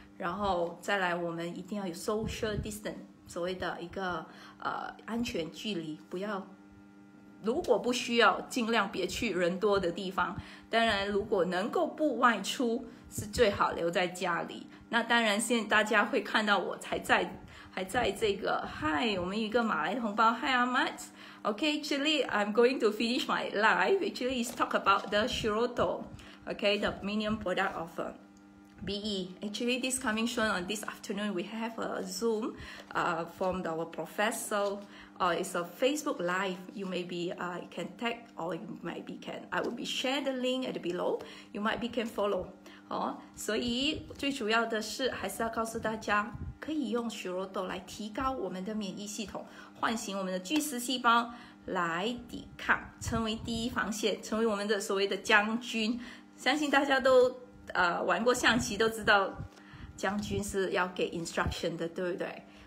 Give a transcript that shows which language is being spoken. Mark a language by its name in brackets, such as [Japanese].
[Chinese] 然后再来我们一定要有 social distance， 所谓的一个安全距离，不要，如果不需要尽量别去人多的地方，当然如果能够不外出是最好留在家里。那当然现在大家会看到我还在这个 Hi， 我们一个马来同胞 Hi Ahmad。 [English] Okay, actually, I'm going to finish my live. Actually, it's talk about the Shiroto. Okay, the minimum product of BE. Actually, this coming soon on this afternoon, we have a Zoom from our professor. It's a Facebook live. You maybe can tag or you maybe can. I will be share the link at below. You might be can follow. [Chinese] 所以最主要的是还是要告诉大家可以用Shiroto来提高我们的免疫系统，唤醒我们的巨噬细胞来抵抗，成为第一防线，成为我们的所谓的将军。相信大家都玩过象棋都知道将军是要给 instruction 的，对不对？